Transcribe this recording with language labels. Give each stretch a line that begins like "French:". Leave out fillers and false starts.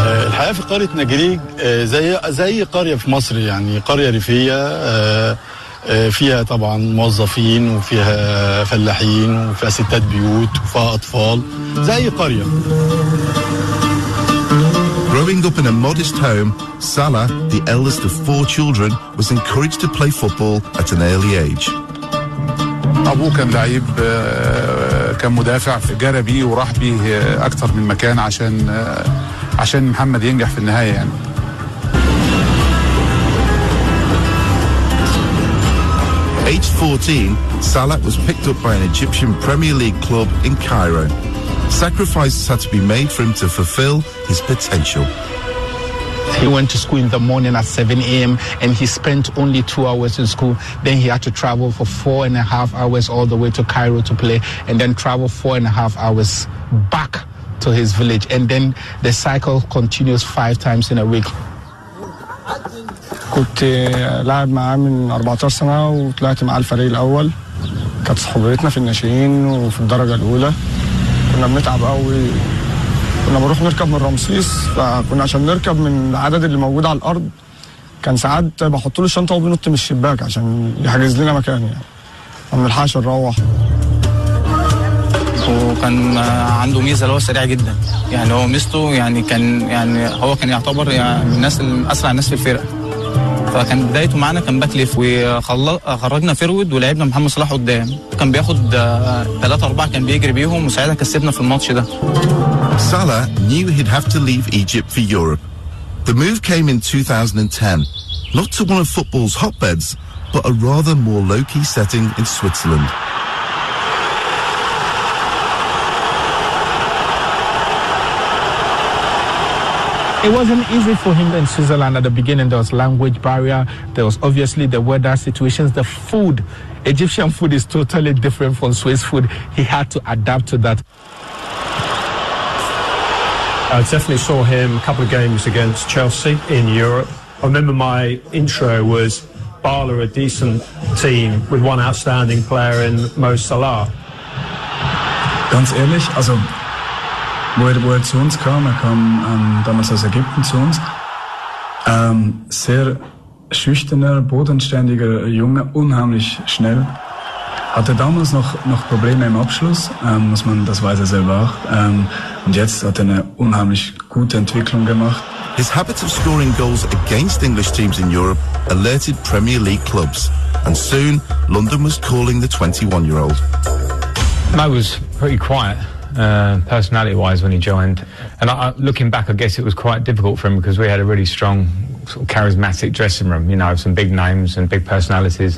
Arabic: الحياة في قرية نجريج زي قرية في مصر يعني قرية ريفية فيها طبعا موظفين وفيها فلاحين وفيها ستات بيوت وفيها أطفال زي قرية.
English: Growing up in a modest home, Salah, the eldest of four children, was encouraged to play football at an early age.
Arabic: أبوه كان لعيب كان مدافع جرى بيه وراح بيه أكثر من مكان عشان محمد ينجح في النهاية يعني.
English: Age 14, Salah was picked up by an Egyptian Premier League club in Cairo. Sacrifices had to be made for him to fulfill his potential. He went to school in the morning at 7 a.m. and he spent only 2 hours in school. Then he had to travel for 4.5 hours all the way to Cairo to play, and then travel 4.5 hours back to his village. And then the cycle continues 5 times in a week.
Arabic: كنت لاعب معاه من 14 سنة وطلعت معاه الفريق الأول كانت صحبتنا في الناشئين وفي الدرجة الأولى كنا بنتعب قوي كنا بنروح نركب من رمسيس فكنا عشان نركب من العدد اللي موجود على الأرض كان ساعات بحط له الشنطة وبنط من الشباك عشان يحجز لنا مكان يعني ما نلحقش نروح وكان عنده ميزة اللي هو سريع جدا يعني هو ميزته يعني هو كان يعتبر يعني الناس أسرع الناس في الفرقة فكان بدايته معنا كان باكليف وخرجنا فيرويد ولعبنا محمد صلاح قدام كان بياخد 3-4 كان بيجري بيهم وساعتها كسبنا في الماتش ده.
English: Salah knew he'd have to leave Egypt for Europe. The move came in 2010, not to one of football's hotbeds, but a rather more low-key setting in Switzerland. It wasn't easy for him in Switzerland at the beginning. There was language barrier. There was obviously the weather situations. The food, Egyptian food is totally different from Swiss food. He had to adapt to that. I definitely saw him a couple of games against Chelsea in Europe. I remember my intro was Bala, a decent team with one outstanding player in Mo Salah.
German: Ganz ehrlich, also... Wo er zu uns kam, er kam damals aus Ägypten zu uns. Sehr schüchterner, bodenständiger Junge, unheimlich schnell. Hatte damals noch Probleme im Abschluss, muss man, das weiß er selber auch. Und jetzt hat er eine unheimlich gute Entwicklung gemacht.
English: His habits of scoring goals against English teams in Europe alerted Premier League clubs. And soon, London was calling the 21-year-old. Mo was pretty quiet. personality-wise when he joined. And looking back, I guess it was quite difficult for him because we had a really strong, sort of charismatic dressing room, you know, some big names and big personalities.